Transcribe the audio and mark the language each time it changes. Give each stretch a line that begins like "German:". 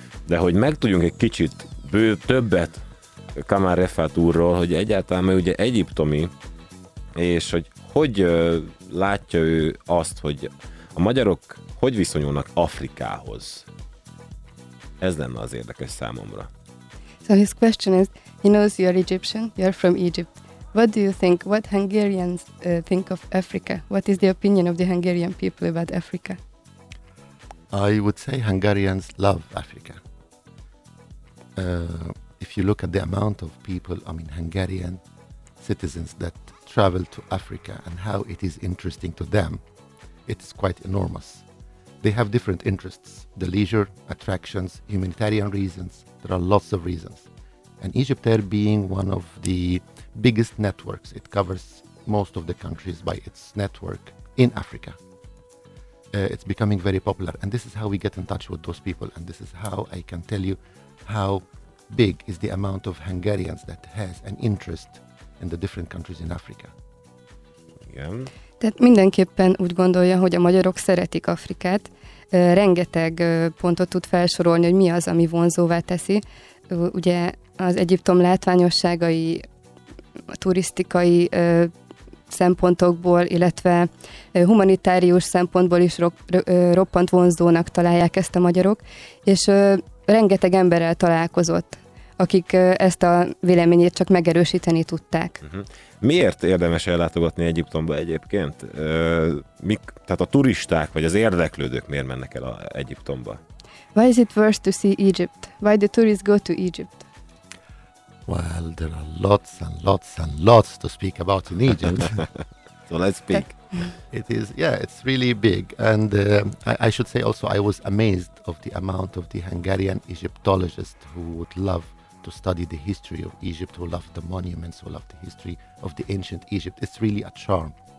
Hungarian: De hogy megtudjunk egy kicsit többet Kamal Refatourról, hogy egyáltalán, mert ugye egyiptomi, és hogy látja ő azt, hogy a magyarok hogy viszonyulnak Afrikához? Ez lenne az érdekes számomra.
English: So his question is, he knows you're Egyptian, you're from Egypt. What do you think, what Hungarians think of Africa? What is the opinion of the Hungarian people about Africa? I would say Hungarians love Africa. If you look at the amount of people, I mean Hungarian citizens that travel to Africa and how it is interesting to them, it's quite enormous. They have different interests, the leisure, attractions, humanitarian reasons. There are lots of reasons. And Egyptair being one of the biggest networks, it covers most of the countries by its network in Africa. It's becoming very popular. And this is how we get in touch with those people. And this is how I can tell you how big is the amount of Hungarians that has an interest in the different countries in Africa. Yeah.
Hungarian: Tehát mindenképpen úgy gondolja, hogy a magyarok szeretik Afrikát. Rengeteg pontot tud felsorolni, hogy mi az, ami vonzóvá teszi. Ugye az Egyiptom látványosságai, a turisztikai szempontokból, illetve humanitárius szempontból is roppant vonzónak találják ezt a magyarok. És rengeteg emberrel találkozott, akik ezt a véleményét csak megerősíteni tudták. Uh-huh. Miért érdemes ellátogatni Egyiptomba egyébként? Tehát a turisták vagy az érdeklődők miért mennek el Egyiptomba?
English: Why is it worth to see Egypt? Why do tourists go to Egypt? Well, there are lots and lots and lots to speak about in Egypt. So let's speak. It is, yeah, it's really big. And I should say also I was amazed of the amount of the Hungarian Egyptologists who would love to study the history of Egypt, who love the monuments, who love the history of the ancient Egypt. It's really a charm.